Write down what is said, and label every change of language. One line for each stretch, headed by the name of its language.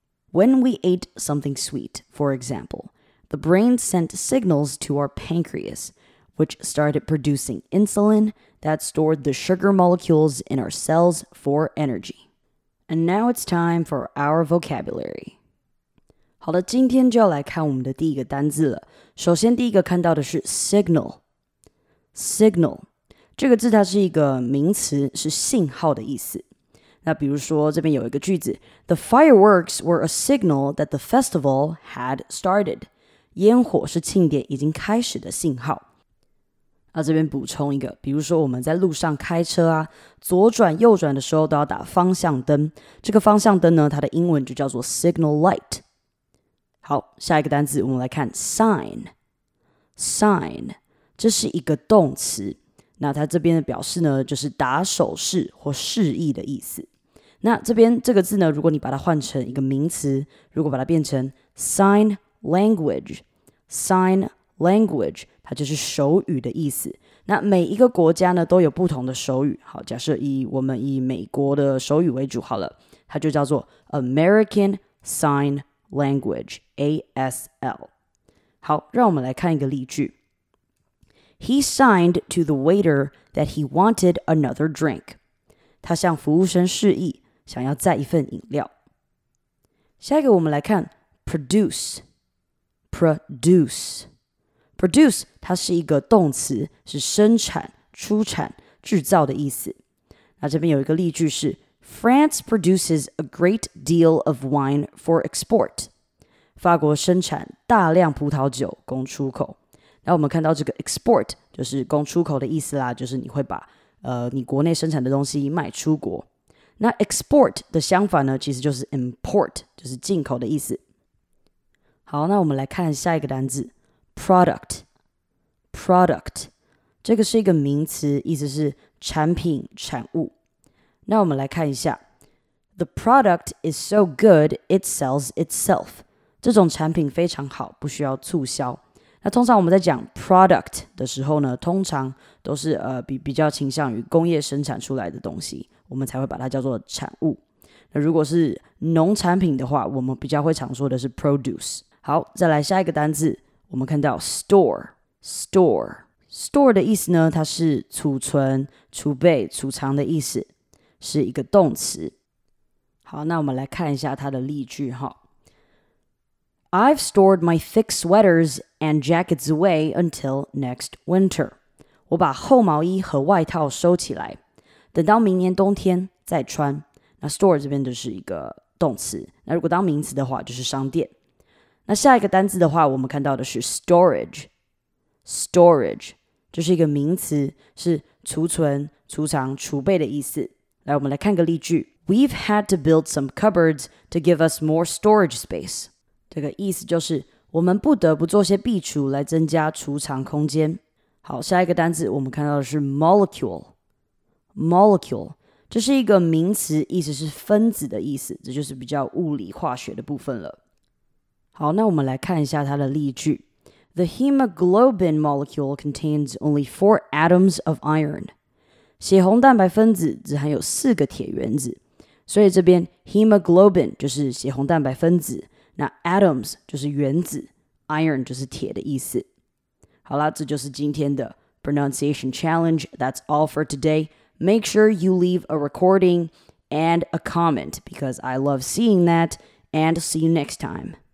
English: When we ate something sweet, for example, the brain sent signals to our pancreas, which started producing insulin that stored the sugar molecules in our cells for energy. And now it's time for our vocabulary.
Chinese: 好的，今天就要来看我们的第一个单字了。首先第一个看到的是 signal。这个字它是一个名词，是信号的意思。那比如说这边有一个句子，
English: The fireworks were a signal that the festival had started.
Chinese: 烟火是庆典已经开始的信号。那这边补充一个，比如说我们在路上开车啊，左转右转的时候都要打方向灯。这个方向灯呢，它的英文就叫做 signal light。好，下一个单字我们来看 sign。 Sign， 这是一个动词。那它这边的表示呢，就是打手势或示意的意思。那这边这个字呢，如果你把它换成一个名词，如果把它变成 sign language， 它就是手语的意思。那每一个国家呢，都有不同的手语。好，假设以美国的手语为主好了，它就叫做 American Sign Language (ASL). 好，让我们来看一个例句。
English: He signed to the waiter that he wanted another drink.
Chinese: 他向服务生示意想要再一份饮料。下一个我们来看 produce 它是一个动词，是生产、出产、制造的意思。那这边有一个例句是
English: France produces a great deal of wine for export.
Chinese: 法国生产大量葡萄酒供出口。那我们看到这个 export 就是供出口的意思啦，就是你会把你国内生产的东西卖出国。那 export 的相反呢，其实就是 import， 就是进口的意思。好，那我们来看下一个单字 product。product 这个是一个名词，意思是产品、产物。那我们来看一下
English: ，the product is so good it sells itself。
Chinese: 这种产品非常好，不需要促销。那通常我们在讲 product 的时候呢，通常都是比较倾向于工业生产出来的东西，我们才会把它叫做产物。那如果是农产品的话，我们比较会常说的是 produce。好，再来下一个单字，我们看到 store 的意思呢，它是储存、储备、储藏的意思，是一个动词。好，那我们来看一下它的例句哈。
English: I've stored my thick sweaters and jackets away until next winter.
Chinese: 我把厚毛衣和外套收起来，等到明年冬天再穿。那 store 这边就是一个动词，那如果当名词的话就是商店。那下一个单字的话，我们看到的是 storage。storage 这是一个名词，是储存、储藏、储备的意思。来，我们来看个例句。
English: We've had to build some cupboards to give us more storage space.
Chinese: 这个意思就是我们不得不做些壁橱来增加储藏空间。好，下一个单字我们看到的是 molecule。molecule 这是一个名词，意思是分子的意思，这就是比较物理化学的部分了。好，那我们来看一下它的例句。
English: The hemoglobin molecule contains only 4 atoms of iron.
Chinese: 血红蛋白分子只含有四个铁原子。所以这边 hemoglobin 就是血红蛋白分子。那 atoms 就是原子， iron 就是铁的意思。好啦，这就是今天的
English: pronunciation challenge. That's all for today. Make sure you leave a recording and a comment, because I love seeing that, and see you next time.